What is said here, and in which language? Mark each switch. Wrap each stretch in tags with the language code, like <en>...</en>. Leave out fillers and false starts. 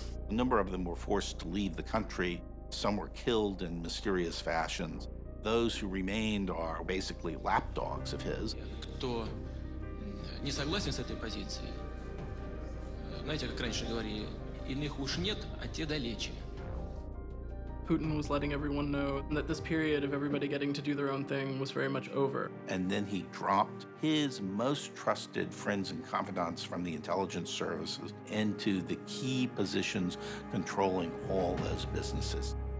<en>A number of them were forced to leave the country. Some were killed in mysterious fashions. Those who remained are basically lapdogs of his.</en> <ru>Кто не согласен с этой позицией, знаете, как раньше говорили, иных уж нет, а те далече.</ru> <en>Putin was letting everyone know that this period of everybody getting to do their own thing was very much over. And then he dropped his most trusted friends and confidants from the intelligence services into the key positions controlling all those businesses.</en>